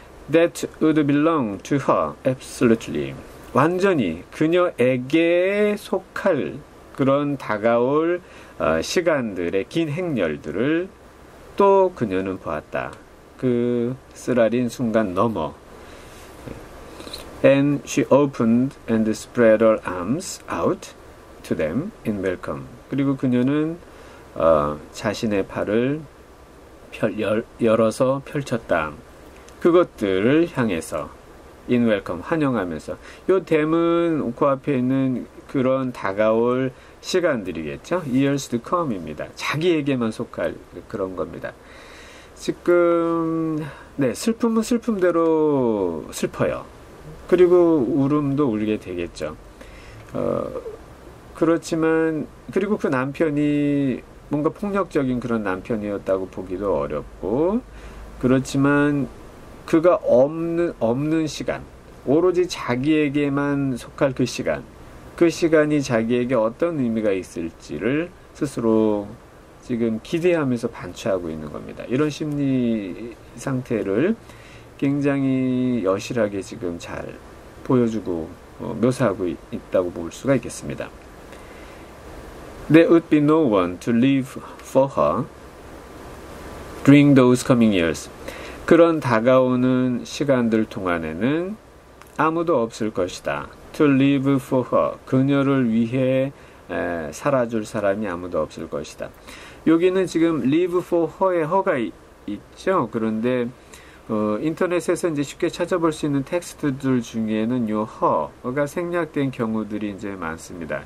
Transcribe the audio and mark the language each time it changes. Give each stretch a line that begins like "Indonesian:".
English: That would belong to her, absolutely.
Korean: 완전히 그녀에게 속할 그런 다가올 시간들의 긴 행렬들을 또 그녀는 보았다. 그 쓰라린 순간 넘어.
English: And she opened and spread her arms out to them in welcome.
Korean: 그리고 그녀는 자신의 팔을 열어서 펼쳤다. 그것들을 향해서
English: in welcome,
Korean: 환영하면서. 요 댐은 그 앞에 있는 그런 다가올 시간들이겠죠?
English: Years to come입니다.
Korean: 자기에게만 속할 그런 겁니다. 지금, 네, 슬픔은 슬픔대로 슬퍼요. 그리고 울음도 울게 되겠죠. 그렇지만, 그리고 그 남편이 뭔가 폭력적인 그런 남편이었다고 보기도 어렵고, 그렇지만 그가 없는 시간, 오로지 자기에게만 속할 그 시간, 그 시간이 자기에게 어떤 의미가 있을지를 스스로 지금 기대하면서 반추하고 있는 겁니다. 이런 심리 상태를 굉장히 여실하게 지금 잘 보여주고 묘사하고 있다고 볼 수가 있겠습니다.
English: There would be no one to live for her during those coming years.
Korean: 그런 다가오는 시간들 동안에는 아무도 없을 것이다.
English: To live for her.
Korean: 그녀를 위해 살아줄 사람이 아무도 없을 것이다. 여기는 지금
English: live for her
Korean: 의 허가 있죠? 그런데 인터넷에서 이제 쉽게 찾아볼 수 있는 텍스트들 중에는 요 허가 생략된 경우들이 이제 많습니다.